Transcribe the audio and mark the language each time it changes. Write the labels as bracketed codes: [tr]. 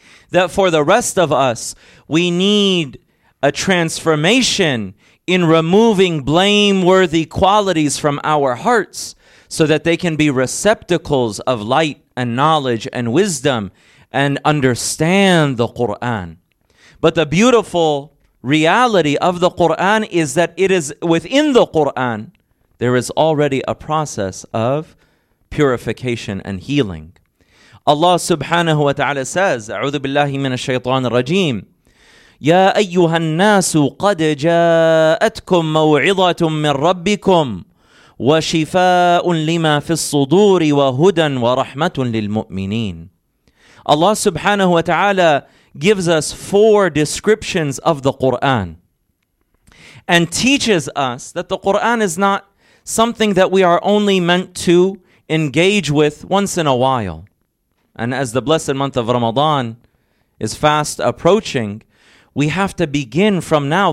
[en] That for the rest of us, we need a transformation in removing blameworthy qualities from our hearts so that they can be receptacles of light and knowledge and wisdom and understand the Qur'an. But the beautiful reality of the Qur'an is that it is within the Qur'an, there is already a process of purification and healing. Allah subhanahu wa ta'ala says, [ar] أعوذ بالله من الشيطان الرجيم يا أيها الناس قد جاءتكم موعظة من ربكم وشفاء لما في الصدور وهدى ورحمة للمؤمنين. [en] Allah subhanahu wa ta'ala gives us four descriptions of the Quran and teaches us that the Quran is not something that we are only meant to engage with once in a while. And as the blessed month of Ramadan is fast approaching, we have to begin from now.